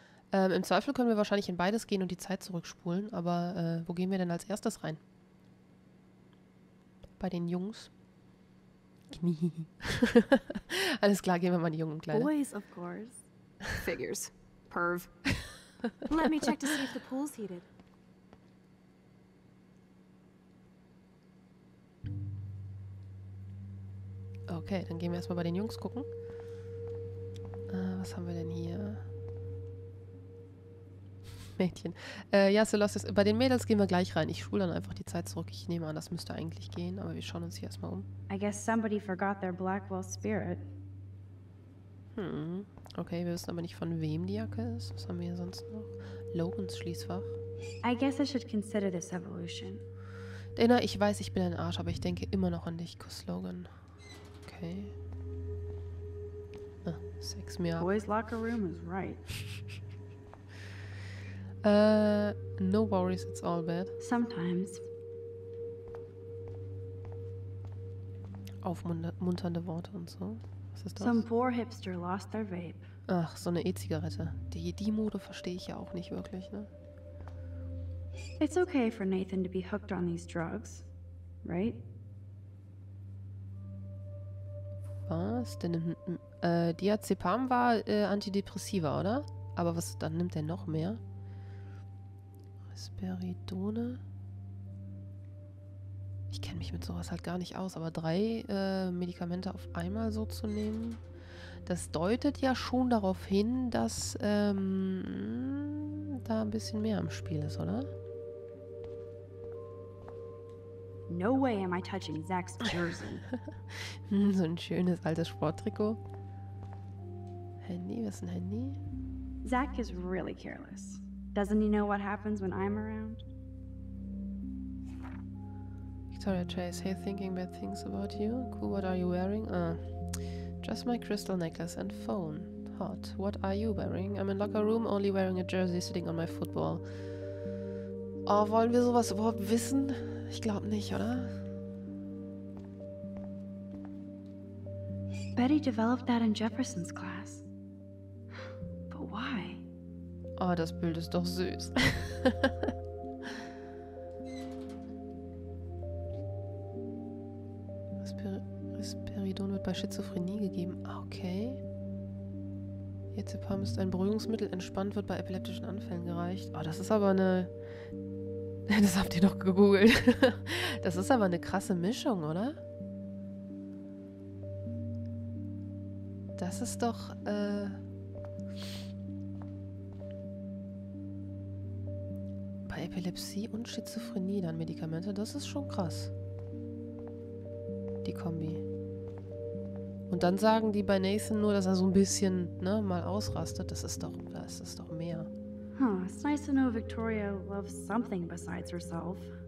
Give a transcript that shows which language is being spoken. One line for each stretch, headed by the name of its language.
German: Im Zweifel können wir wahrscheinlich in beides gehen und die Zeit zurückspulen, aber wo gehen wir denn als erstes rein? Bei den Jungs? Knie. Alles klar, gehen wir mal in die Jungen und Kleine.
English: Boys, of course. Figures. Perv. Let me check to see if the pool's heated.
German: Okay, dann gehen wir erstmal bei den Jungs gucken. Was haben wir denn hier? Mädchen. Ja, so lass es. Bei den Mädels gehen wir gleich rein. Ich spule dann einfach die Zeit zurück. Ich nehme an, das müsste eigentlich gehen, aber wir schauen uns hier erstmal um.
English: I guess somebody forgot their Blackwell Spirit.
German: Okay, wir wissen aber nicht, von wem die Jacke ist. Was haben wir hier sonst noch? Logans Schließfach.
English: I guess I should consider this evolution.
German: Dana, ich weiß, ich bin ein Arsch, aber ich denke immer noch an dich. Kuss Logan. Okay. Ah, Sex mir ab.
English: Boys locker room is right. No worries, it's all bad. Sometimes.
German: Aufmunternde Worte und so. Was ist das?
English: Some poor hipster lost their vape.
German: Ach, so eine E-Zigarette. Die Mode verstehe ich ja auch nicht wirklich, ne?
English: It's okay for Nathan to be hooked on these drugs, right?
German: Was? Denn Diazepam war Antidepressiva, oder? Aber was, dann nimmt er noch mehr? Risperidone. Ich kenne mich mit sowas halt gar nicht aus, aber drei Medikamente auf einmal so zu nehmen, das deutet ja schon darauf hin, dass da ein bisschen mehr im Spiel ist, oder?
English: No way am I touching Zach's jersey.
German: So ein schönes altes Sporttrikot. Handy, was ist ein Handy?
English: Zach is really careless. Doesn't he know what happens when I'm around? Victoria Chase, hey, thinking bad things about you? Cool, what are you wearing? Just my crystal necklace and phone. Hot, what are you wearing? I'm in locker room, only wearing a jersey sitting on my football.
German: Oh, wollen wir sowas überhaupt wissen? Ich glaube nicht, oder?
English: Betty developed that in Jefferson's class. But why?
German: Oh, das Bild ist doch süß. Risperidon wird bei Schizophrenie gegeben. Okay. Diazepam ist ein Beruhigungsmittel, entspannt wird bei epileptischen Anfällen gereicht. Oh, das ist aber eine... Das habt ihr doch gegoogelt. Das ist aber eine krasse Mischung, oder? Das ist doch... bei Epilepsie und Schizophrenie dann Medikamente. Das ist schon krass. Die Kombi. Und dann sagen die bei Nathan nur, dass er so ein bisschen, ne, mal ausrastet. Das ist doch mehr.
English: Huh, it's nice to know Victoria loves something besides herself.